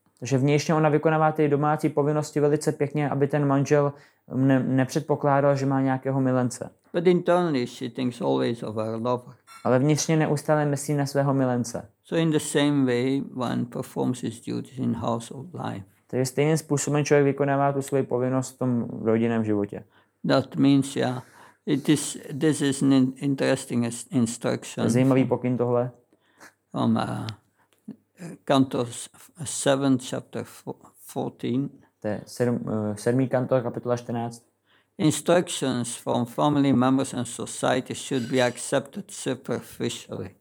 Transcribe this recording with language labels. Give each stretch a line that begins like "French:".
Czech: Takže vnějšně ona vykonává ty domácí povinnosti velice pěkně, aby ten manžel nepředpokládal, že má nějakého milence.
English: But internally she thinks always of her lover.
Czech: Ale vnitřně neustále myslí na svého milence.
English: So in the same way one performs his duties in household life.
Czech: Takže stejným způsobem člověk vykonává tu svoji povinnost v tom rodinném životě.
English: That means, yeah, this is an interesting instruction.
Czech: Zajímavý pokyn tohle.
English: Canto 7, chapter 14.
Czech: Sedmý kanto, kapitola 14.
English: Instructions from family members and society should be accepted superficially.